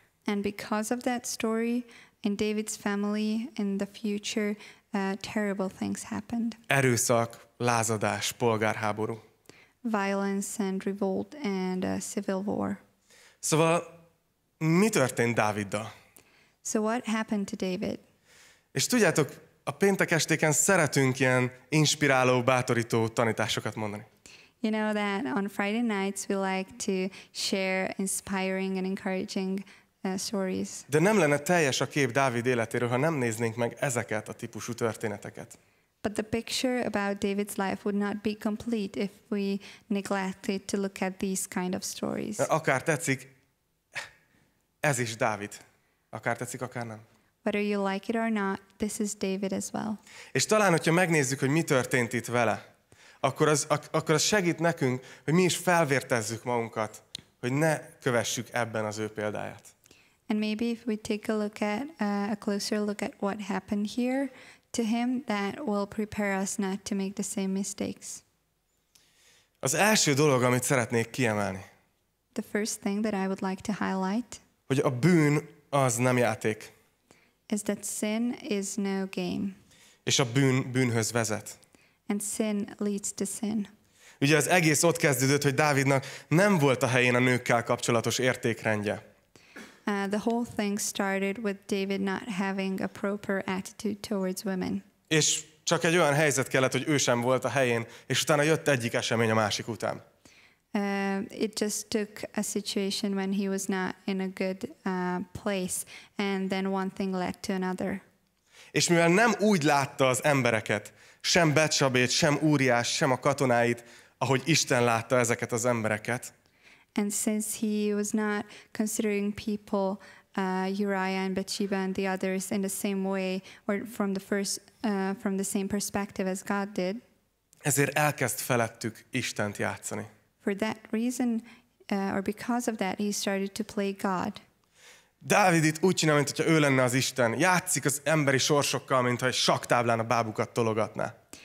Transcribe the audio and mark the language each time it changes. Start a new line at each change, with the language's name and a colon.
English: And because of that story, in David's family, in the future, terrible things happened.
Hungarian: Erőszak, lázadás, polgárháború.
English: Violence and revolt and civil war.
Hungarian: Szóval, mi történt Dáviddal?
English: So what happened to David?
Hungarian: És tudjátok, a péntek estéken szeretünk ilyen inspiráló, bátorító tanításokat mondani.
English: You know that on Friday nights we like to share inspiring and encouraging stories.
Hungarian: De nem lenne teljes a kép Dávid életéről, ha nem néznénk meg ezeket a típusú történeteket.
English: But the picture about David's life would not be complete if we neglected to look at these kind of stories.
Hungarian: Akár tetszik, ez is Dávid. Akár tetszik, akár nem.
English: Whether you like it or not, this is David as well.
Hungarian: És talán, hogyha megnézzük, hogy mi történt itt vele, akkor az segít nekünk, hogy mi is felvértezzük magunkat, hogy ne kövessük ebben az ő példáját.
English: And maybe if we take a look at a closer look at what happened here to him, that will prepare us not to make the same mistakes.
Hungarian: Az első dolog, amit szeretnék kiemelni.
English: The first thing that I would like to highlight.
Hungarian: Hogy a bűn az nem játék.
English: Is that sin is no game.
Hungarian: És a bűn bűnhöz vezet.
English: And sin leads to sin.
Hungarian: Ugye az egész ott kezdődött, hogy Dávidnak nem volt a helyén a nőkkel kapcsolatos értékrendje.
English: The whole thing started with David not having a proper attitude towards women.
Hungarian: És csak egy olyan helyzet kellett, hogy ő sem volt a helyén, és utána jött egyik esemény a másik után.
English: It just took a situation when he was not in a good place, and then one thing led to another.
Hungarian: És mivel nem úgy látta az embereket, sem Bathsabét, sem Úriás, sem a katonáit, ahogy Isten látta ezeket az embereket.
English: And since he was not considering people, Uriah and Bathsheba and the others in the same way or from the same perspective as God did.
Hungarian: Ezért elkezd felettük Istent játszani.
English: For that reason, or because of that, he started to play God.
Hungarian: Dávid itt úgy csinál, mintha ő lenne az Isten. Játszik az emberi sorsokkal, mintha egy sakktáblán a bábukat tologatná.